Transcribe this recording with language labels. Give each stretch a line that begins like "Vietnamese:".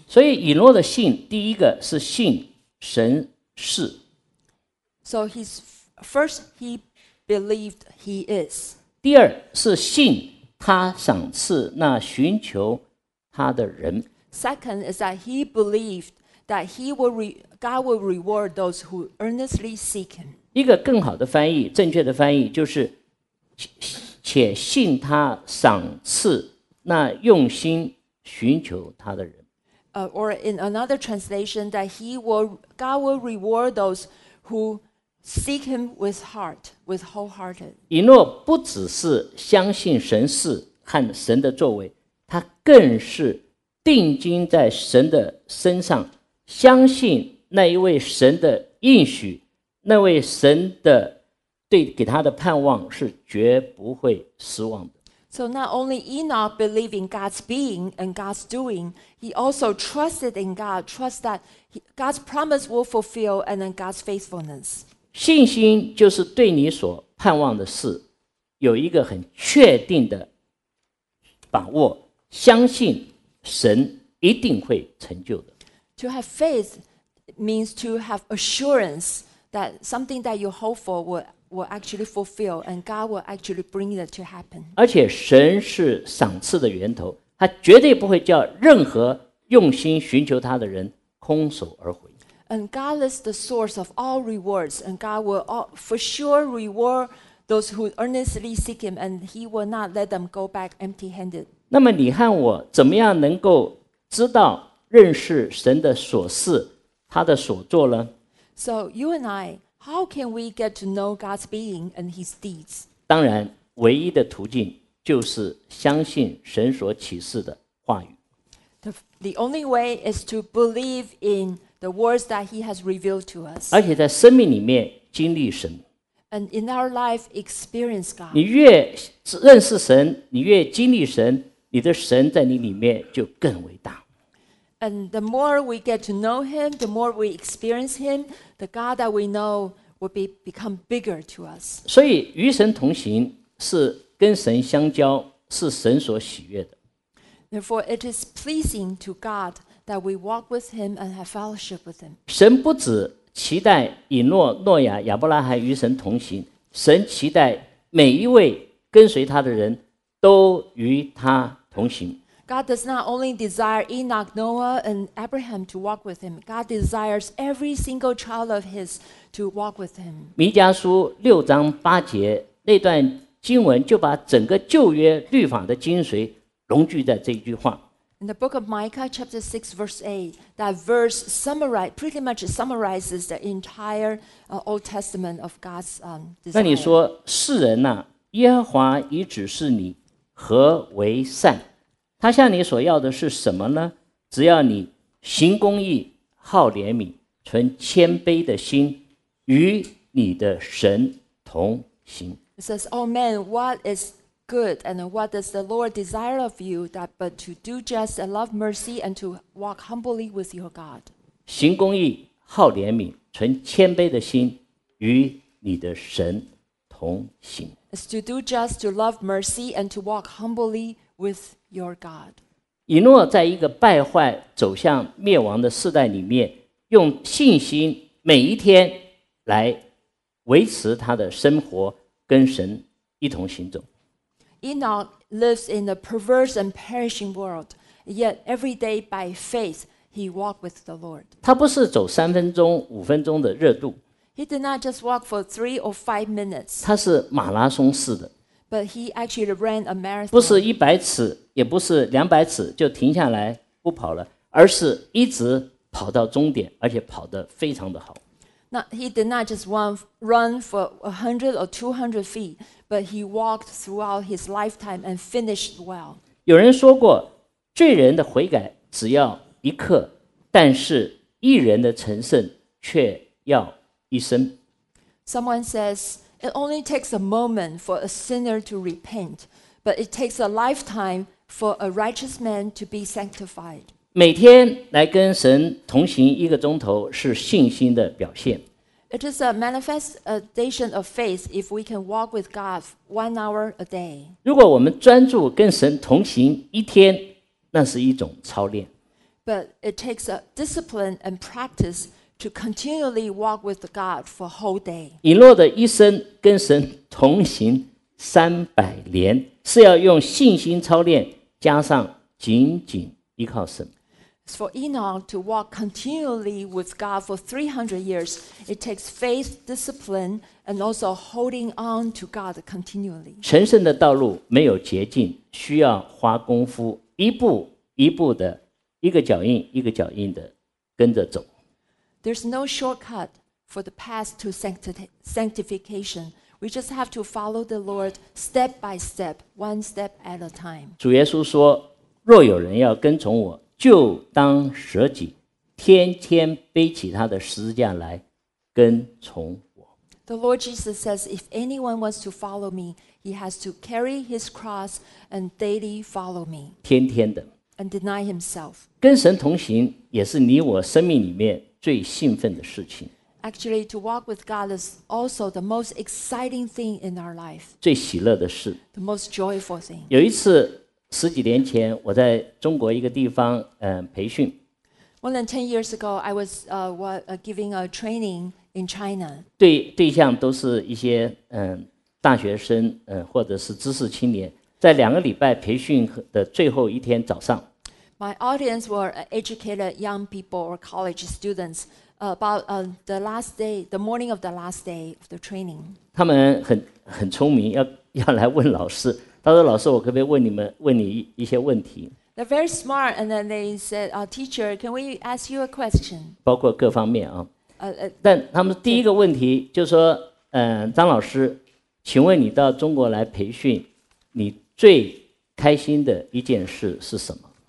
Chinese: 所以以诺的信，第一个是信神是。
English: So his first, he believed he is.
Chinese: 第二是信他赏赐那寻求他的人。
English: Second is that he believed that God will reward those who earnestly seek him.
Chinese: 一个更好的翻译，正确的翻译就是，且信他赏赐那用心寻求他的人。
English: Or in another translation, that God will reward those who seek him with heart, with wholehearted.
Chinese: 以诺不只是相信神是和神的作为，他更是定睛在神的身上，相信那一位神的应许，那位神的对给他的盼望是绝不会失望的。
English: So not only Enoch believed in God's being and God's doing, he also trusted in God, trust that God's promise will fulfill and then God's faithfulness.
Chinese: 信心就是对你所盼望的事有一个很确定的把握，相信神一定会成就的。
English: To have faith means to have assurance that something that you hope for will actually fulfill and God will actually bring it to happen.
Chinese: 而且神是赏赐的源头，他绝对不会叫任何用心寻求他的人空手而回。
English: And God is the source of all rewards, and God will for sure reward those who earnestly seek Him, and He will not let them go back empty-handed.
Chinese: 那么你和我怎么样能够知道认识神的所事，他的所作呢？
English: So you and I, how can we get to know God's being and His deeds?
Chinese: 当然，唯一的途径就是相信神所启示的话语。
English: The only way is to believe in the words that he has revealed to us.
Chinese: 而且在生命里面经历神。
English: And in our life, experience God.
Chinese: 你越认识神，你越经历神，你的神在你里面就更伟大。
English: And the more we get to know Him, the more we experience Him, the God that we know will become bigger to us.
Chinese: 所以与神同行是跟神相交，是神所喜悦的。
English: Therefore, it is pleasing to God that we walk with Him and have fellowship with Him.
Chinese: 神不止期待以诺、诺亚、亚伯拉罕与神同行，神期待每一位跟随他的人都与他同行。
English: God does not only desire Enoch, Noah, and Abraham to walk with Him. God desires every single child of His to walk with Him.
Chinese: 弥迦书六章八节那段经文就把整个旧约律法的精髓融聚在这一句话。
English: In the book of Micah, chapter 6, verse 8, that verse summarize, pretty much summarizes the entire Old Testament of God's desire.
Chinese: 那你说世人啊，耶和华已指示你何为善。他向你所要的是什么呢？只要你行公义，好怜悯，存谦卑的心，与你的神同行。
English: It says, O man, what is good and what does the Lord desire of you that but to do just and love mercy and to walk humbly with your God?
Chinese: 行公义，好怜悯，存谦卑的心，与你的神同行。
English: It's to do just, to love mercy and to walk humbly with your God.
Chinese: 以诺在一个败坏走向灭亡的世代里面，用信心每一天来维持他的生活，跟神一同行走。
English: Enoch lives in a perverse and perishing world, yet every day by faith he walked with the Lord.
Chinese: 他不是走三分钟、五分钟的热度。
English: He did not just walk for 3 or 5 minutes.
Chinese: 他是马拉松式的。
English: But he actually ran a marathon.
Chinese: 不是一百尺，也不是两百尺就停下来不跑了，而是一直跑到终点，而且跑得非常的好。
English: Now, he did not just run for 100 or 200 feet, but he walked throughout his lifetime and finished well.
Chinese: 有人说过，罪人的悔改只要一刻，但是义人的成圣却要一生。
English: Someone says, it only takes a moment for a sinner to repent, but it takes a lifetime for a righteous man to be sanctified.
Chinese: 每天来跟神同行一个钟头是信心的表现。
English: It is a manifestation of faith if we can walk with God 1 hour a day.
Chinese: 如果我们专注跟神同行一天，那是一种操练。
English: But it takes a discipline and practice to continually walk with God for a whole day.
Chinese: 以诺的一生跟神同行300年，是要用信心操练加上紧紧依靠神。
English: For Enoch to walk continually with God for 300 years, it takes faith, discipline, and also holding on to God continually.
Chinese: 成圣的道路没有捷径，需要花功夫，一步一步的，一个脚印一个脚印的跟着走。
English: There's no shortcut for the path to sanctification. We just have to follow the Lord step by step, one step at a time.
Chinese: 主耶稣说，若有人要跟从我，就当舍己，天天背起他的十字架来跟从我。
English: The Lord Jesus says, if anyone wants to follow me, he has to carry his cross and daily follow me.
Chinese: 天天的。
English: And deny himself.
Chinese: 跟神同行也是你我生命里面最兴奋的事情。
English: Actually, to walk with God is also the most exciting thing in our life.
Chinese: 最喜乐的事。
English: The most joyful thing.
Chinese: 有一次十几年前，我在中国一个地方，培训。
English: More than 10 years ago, I was giving a training in China.
Chinese: 对象都是一些大学生，或者是知识青年。在两个礼拜培训的最后一天早上
English: ，My audience were educated young people or college students. The last day, the morning of the last day of the training.
Chinese: 他们很聪明，要来问老师。他说：“老师，我可不可以问你一些问题
English: ？”They're very smart, and then they said, "Teacher, can we ask you a question?"
Chinese: 包括各方面啊。但他们第一个问题就是说：“张老师，请问你到中国来培训，你最开心的一件事是什么